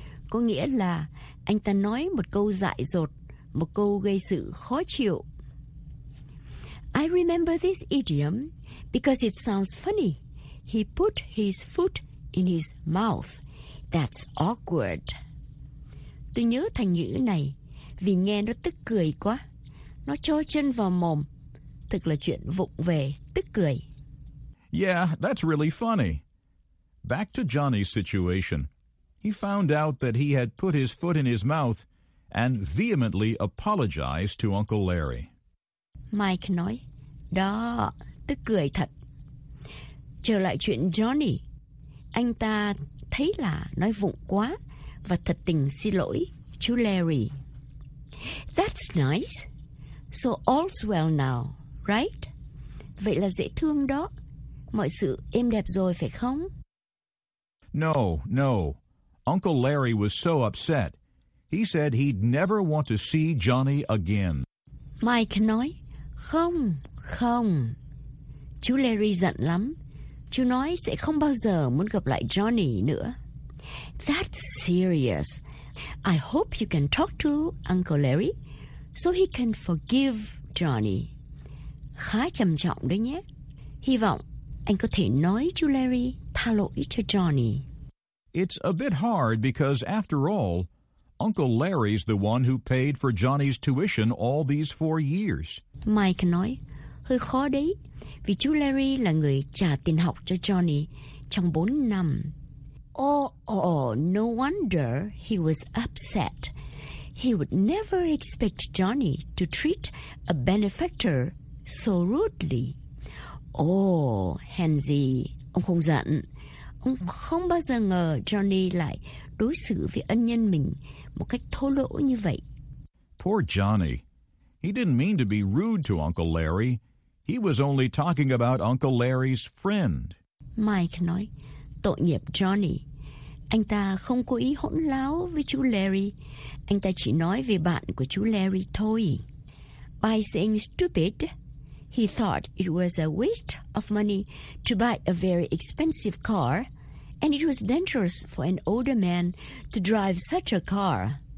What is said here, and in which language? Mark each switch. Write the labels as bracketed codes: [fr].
[vi] Có nghĩa là anh ta nói một câu dại dột, một câu gây sự khó chịu. [en] I remember this idiom because it sounds funny. He put his foot in his mouth. That's awkward. [vi] Tôi nhớ thành ngữ này vì nghe nó tức cười quá. Nó cho chân vào mồm. Thực là chuyện vụng về, tức cười. [en] Yeah, that's really funny. Back to Johnny's situation. He found out that he had put his foot in his mouth and vehemently apologized to Uncle Larry. [vi] Mike nói, đó, tức cười thật. Trở lại chuyện Johnny, anh ta thấy là nói vụng quá và thật tình xin lỗi chú Larry. [en] That's nice. So all's well now, right? [vi] Vậy là dễ thương đó. Mọi sự êm đẹp rồi phải không? [en] No, no. Uncle Larry was so upset. He said he'd never want to see Johnny again. [vi] Mike nói, không, không. Chú Larry giận lắm. Chú nói sẽ không bao giờ muốn gặp lại Johnny nữa. [en] That's serious. I hope you can talk to Uncle Larry so he can forgive Johnny. [vi] Khá trầm trọng đấy nhé. Hy vọng anh có thể nói chú Larry tha lỗi cho Johnny. [en] It's a bit hard because after all, Uncle Larry's the one who paid for Johnny's tuition all these 4 years. [vi] Mike nói, hơi khó đấy, vì chú Larry là người trả tiền học cho Johnny trong 4 năm. [en] Oh, no wonder he was upset. He would never expect Johnny to treat a benefactor so rudely. [vi] Oh, Henzi, ông không giận. Ông không bao giờ ngờ Johnny lại đối xử với ân nhân mình một cách thô lỗ như vậy. [en] Poor Johnny. He didn't mean to be rude to Uncle Larry. He was only talking about Uncle Larry's friend. [vi] Mike nói, tội nghiệp Johnny. Anh ta không cố ý hỗn láo với chú Larry. Anh ta chỉ nói về bạn của chú Larry thôi. [en] By saying stupid, he thought it was a waste of money to buy a very expensive car, and it was dangerous for an older man to drive such a car.